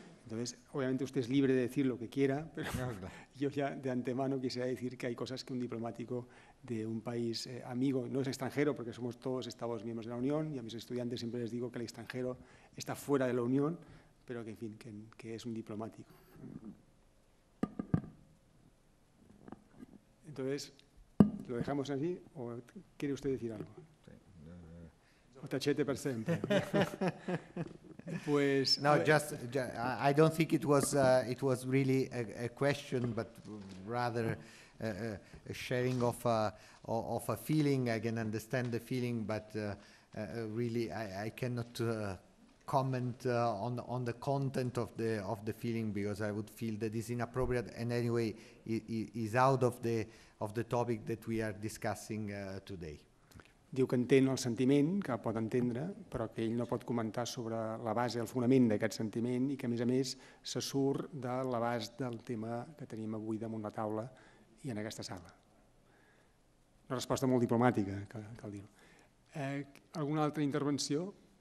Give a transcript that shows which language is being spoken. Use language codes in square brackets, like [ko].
[es] Entonces, obviamente usted es libre de decir lo que quiera, pero no, claro. Yo ya de antemano quisiera decir que hay cosas que un diplomático de un país amigo, no es extranjero, porque somos todos Estados miembros de la Unión, y a mis estudiantes siempre les digo que el extranjero está fuera de la Unión, pero que, en fin, que es un diplomático. Entonces, ¿lo dejamos así o quiere usted decir algo? Tachete per sempre. Pues, [en] no, I don't think it was really a question, but rather a sharing of a feeling. I can understand the feeling, but really I cannot comment on the content of the feeling, because I would feel that is inappropriate, and anyway is out of the topic that we are discussing today. [ca] Diu que entén el sentiment, que pot entendre, però que ell no pot comentar sobre la base, el fonament d'aquest sentiment, i que a més se surt de l'abast del tema que tenim avui damunt la taula i en aquesta sala. Una resposta molt diplomàtica, cal dir-ho. Alguna altra intervenció?